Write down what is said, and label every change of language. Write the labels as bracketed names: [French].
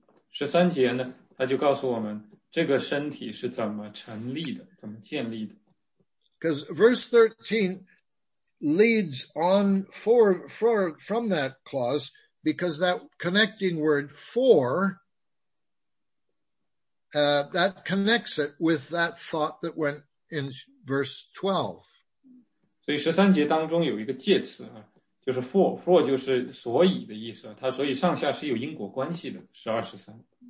[Chinese] 十三节呢，他就告诉我们这个身体是怎么成立的，怎么建立的。 [English] Because verse 13 leads on for from that clause, because that connecting word for,that connects it with that thought that went in verse 12. [Chinese] 所以十三节当中有一个介词啊，就是 for 就是所以的意思，它所以上下是有因果关系的，十二十三。